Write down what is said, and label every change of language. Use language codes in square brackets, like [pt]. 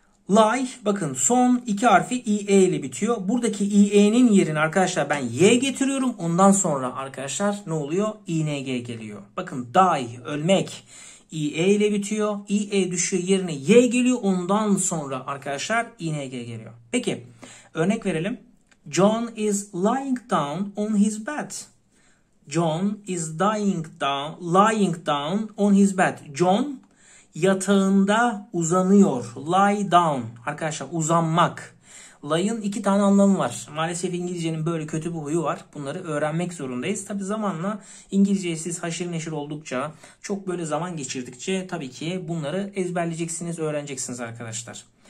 [tr] Lie, bakın son iki harfi IE ile bitiyor. Buradaki IE'nin yerine arkadaşlar ben Y getiriyorum, ondan sonra arkadaşlar ne oluyor? ING geliyor. Bakın die, ölmek. IE ile bitiyor. IE düşüyor, yerine Y geliyor. Ondan sonra arkadaşlar ING geliyor. Peki örnek verelim. [en] John is lying down on his bed. John is lying down on his bed. [tr] John yatağında uzanıyor. [en] Lie down. [tr] Arkadaşlar uzanmak. Lie'ın iki tane anlamı var. Maalesef İngilizcenin böyle kötü bir huyu var. Bunları öğrenmek zorundayız. Tabii zamanla İngilizce siz haşır neşir oldukça, çok böyle zaman geçirdikçe tabii ki bunları ezberleyeceksiniz, öğreneceksiniz arkadaşlar.